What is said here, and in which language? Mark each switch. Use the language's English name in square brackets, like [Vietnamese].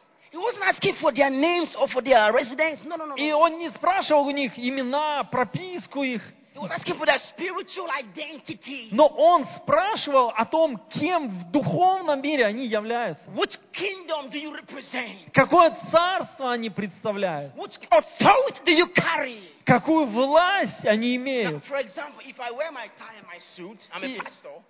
[English] He wasn't asking for their names or for their residence. No. [Russian] И он не спрашивал у них имена, прописку их. [English] He was asking for their spiritual identity. [Russian] Но он спрашивал о том, кем в духовном мире они являются. [English] Which kingdom do you represent? [Russian] Какое царство они представляют? [English] Which authority do you carry? [Russian] Какую власть они имеют? [English] For example, if I wear my tie and my suit, I'm a pastor.